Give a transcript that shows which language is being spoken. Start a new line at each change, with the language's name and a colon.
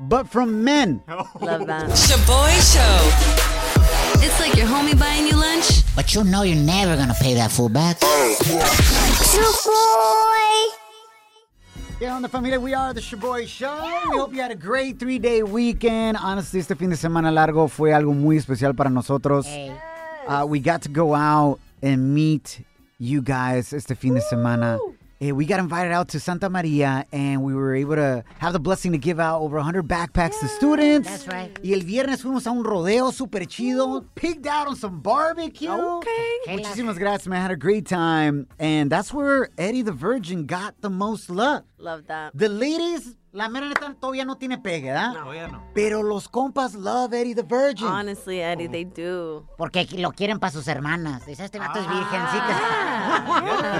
English: But from men. Love that. Shaboy Show. It's like your homie buying you lunch. But you know you're never going to pay that fool back. Shaboy. Yeah, on the familia, we are the Shaboy Show. We hope you had a great 3-day weekend.
Spanish: Honestly, este fin de semana largo fue algo muy especial para nosotros.
English: Yes. We got to go out and meet you guys
Spanish: este fin de semana.
English: Hey, we got invited out to Santa Maria and we were able to have the blessing to give out over 100 backpacks to students. That's right.
Spanish: Y el viernes fuimos a un rodeo super chido.
English: Pigged out on some barbecue. Okay.
Spanish: Muchísimas gracias,
English: man. I had a great time. And that's where Eddie the Virgin got the most love. Love that.
Spanish: The ladies, la mera neta, todavía no tiene pegue, ¿verdad? No, ya no. Pero los compas love Eddie the Virgin.
English: Honestly, Eddie, they do.
Spanish: Porque lo quieren para sus hermanas. Dice, este vato es virgencita.